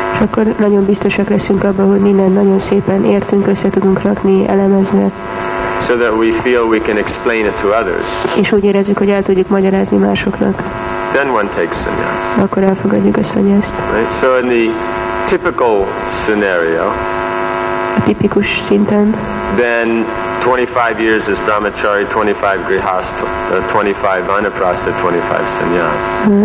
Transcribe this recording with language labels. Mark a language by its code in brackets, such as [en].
[hu] Akkor nagyon biztosak leszünk abban, hogy minden nagyon szépen értünk, össze tudunk rakni, elemezni. [en] So that we feel we can explain it to others. [hu] És úgy érezzük, hogy el tudjuk magyarázni másoknak. [en] Then one takes sannyas. [hu] Akkor elfogadjuk a sannyaszt. [en] Right? So in the typical scenario, [hu] a tipikus szinten, [en] then 25 years as brahmachari, 25 grihastha, 25 vanaprastha, 25 sannyas.